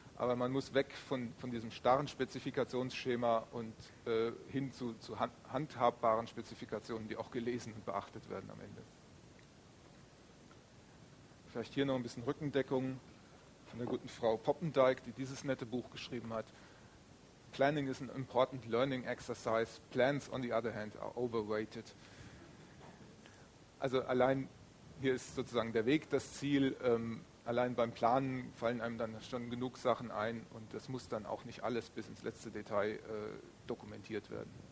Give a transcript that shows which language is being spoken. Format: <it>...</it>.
<de>Aber man muss weg von diesem starren Spezifikationsschema und hin zu handhabbaren Spezifikationen, die auch gelesen und beachtet werden am Ende. Vielleicht hier noch ein bisschen Rückendeckung von der guten Frau Poppendijk, die dieses nette Buch geschrieben hat.</de> <en>Planning is an important learning exercise. Plans, on the other hand, are overrated.</en> <de>Also allein hier ist sozusagen der Weg das Ziel. Allein beim Planen fallen einem dann schon genug Sachen ein und das muss dann auch nicht alles bis ins letzte Detail dokumentiert werden.</de>